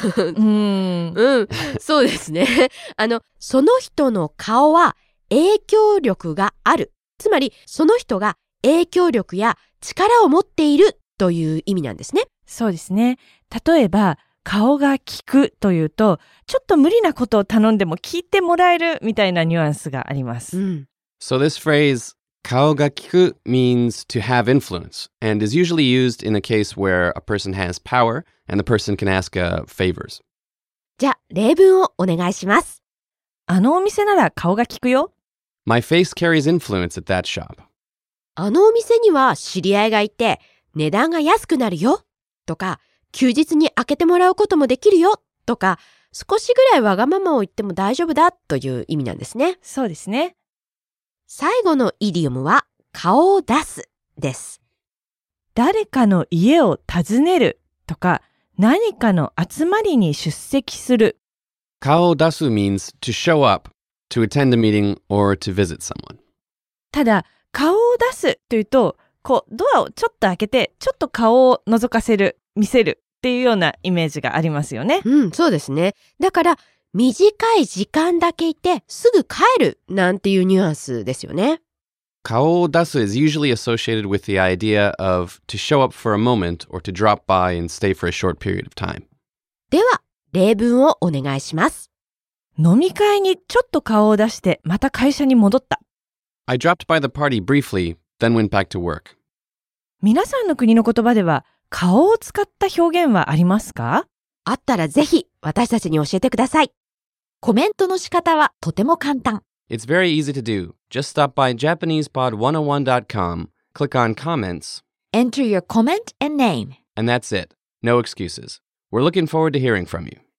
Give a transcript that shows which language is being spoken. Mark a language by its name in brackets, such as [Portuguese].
[Japanese] うん、そうですね。その人の顔は影響力がある。つまり、その人が影響力や力を持っているという意味なんですね。そうですね。例えば、顔が聞くというと、ちょっと無理なことを頼んでも聞いてもらえるみたいなニュアンスがあります。うん、 [English] So this phrase... [Japanese] 顔が聞く [English] means to have influence and is usually used in a case where a person has power and the person can ask favors. [Japanese] じゃあ例文をお願いします。あのお店なら顔が聞くよ。 [English] My face carries influence at that shop. [Japanese] あのお店には知り合いがいて値段が安くなるよとか、休日に開けてもらうこともできるよとか、少しぐらいわがままを言っても大丈夫だという意味なんですね。そうですね。最後のイディオムは顔を出すです。誰かの家を訪ねるとか、何かの集まりに出席する。顔を出す [English] means to show up, to attend a meeting or to visit someone. [Japanese] ただ顔を出すというと、こうドアをちょっと開けてちょっと顔を覗かせる、見せるっていうようなイメージがありますよね。うん、そうですね。だから短い時間だけいてすぐ帰るなんていうニュアンスですよね。顔を出す [English] is usually associated with the idea of to show up for a moment or to drop by and stay for a short period of time. [Japanese] では例文をお願いします。飲み会にちょっと顔を出してまた会社に戻った。 [English] I dropped by the party briefly, then went back to work. [Japanese] 皆さんの国の言葉では顔を使った表現はありますか？あったらぜひ私たちに教えてください。コメントの仕方はとても簡単。 [English] It's very easy to do. Just stop by JapanesePod101.com, click on comments, enter your comment and name, and that's it. No excuses. We're looking forward to hearing from you.